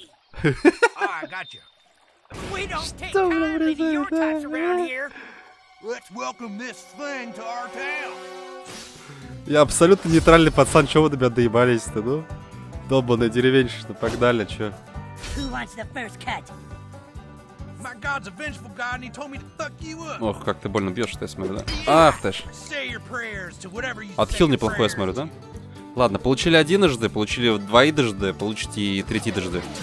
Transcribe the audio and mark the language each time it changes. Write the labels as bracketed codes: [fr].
[en] We don't take kindly to your types around here. Let's welcome this thing to our town. [ru] Я абсолютно нейтральный пацан, чего вы до меня доебались-то, ну? Долбанная деревенщина, погнали, чё? [en] Who wants the first cut? My God's a vengeful God, and he told me to fuck you up. [ru] Ох, как ты больно бьёшь, что я смотрю, да? Ах ты ж. [en] Say your prayers to whatever you say. [ru] Отхил неплохой, я смотрю, да? Ладно, получили одиножды, получили двоидожды, получите и третидожды.